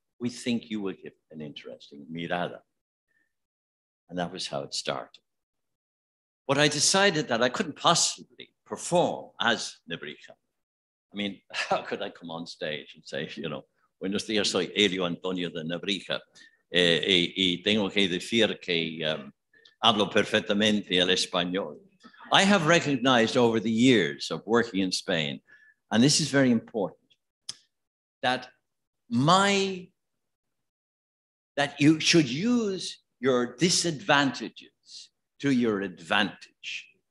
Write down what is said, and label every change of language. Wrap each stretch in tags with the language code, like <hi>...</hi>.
<en>We think you will give an interesting</en> <es>mirada.</es> <en>And that was how it started. But I decided that I couldn't possibly perform as Nebrica. I mean, how could I come on stage and say, you know,</en> <es>buenos días, soy Elio Antonio de Nebrica. Y tengo que decir que hablo perfectamente el español.</es> <en>I have recognized over the years of working in Spain, and this is very important, that that you should use your disadvantages to your advantage.</en>